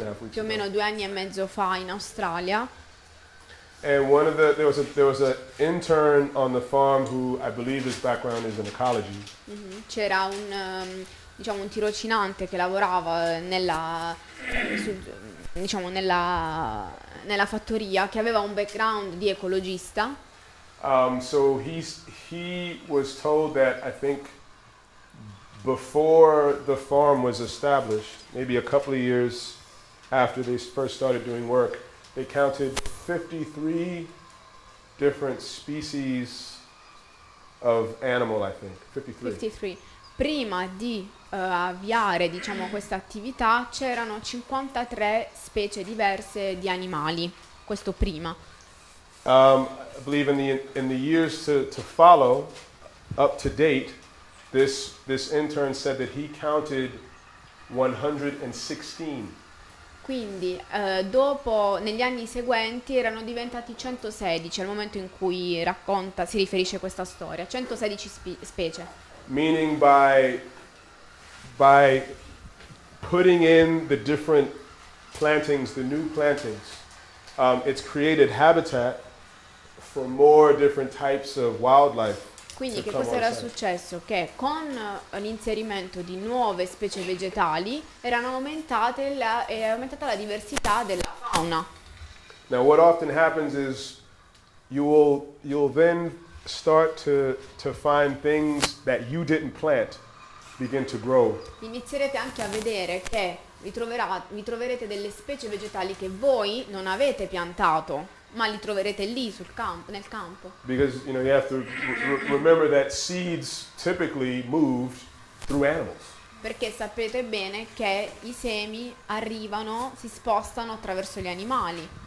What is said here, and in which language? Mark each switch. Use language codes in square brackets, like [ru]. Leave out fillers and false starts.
[it] Più o meno 2 anni e mezzo fa in Australia. [en] And one of the there was a intern on the farm who I believe his background is in ecology. Mm-hmm. [it] C'era un diciamo un tirocinante che lavorava nella fattoria che aveva un background di ecologista. [en] So he was told that I think before the farm was established, maybe a couple of years after they first started doing work, they counted 53 different species of animal, I think. [it] 53. Prima di avviare, diciamo, questa attività, c'erano 53 specie diverse di animali. Questo prima. [en] I believe in the years to follow, up to date, this intern said that he counted 116. [it] Quindi dopo negli anni seguenti erano diventati 116 al momento in cui racconta si riferisce a questa storia 116 specie. [en] Meaning by putting in the different plantings, the new plantings, it's created habitat for more different types of wildlife. [it] Quindi che cosa era successo? Che con l'inserimento di nuove specie vegetali è aumentata la diversità della fauna. [en] Now what often happens is you'll then start to find things that you didn't plant begin to grow. [it] Inizierete anche a vedere che vi troverete delle specie vegetali che voi non avete piantato. Ma li troverete lì nel campo. [en] Because you know you have to remember that seeds typically moved through animals. [it] Perché sapete bene che i semi arrivano, si spostano attraverso gli animali.